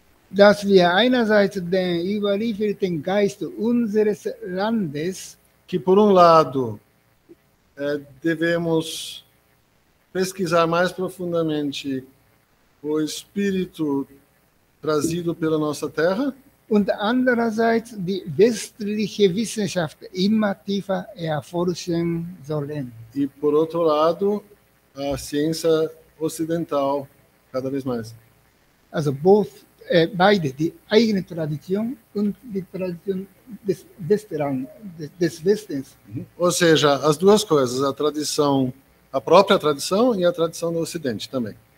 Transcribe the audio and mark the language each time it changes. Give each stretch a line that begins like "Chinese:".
German: Dass wir einerseits den überlieferten Geist unseres Landes.
Portuguese: Que por um lado devemos pesquisar mais profundamente o espírito trazido pela nossa terra.
German: Und andererseits die westliche Wissenschaft immer tiefer erforschen sollen.
Portuguese: E por outro lado, a ciência ocidental cada vez mais.
German: Also beide, die eigene Tradition und die Tradition des Westens.
Portuguese: Ou seja, as duas coisas, a tradição, a própria tradição e a tradição do Ocidente também.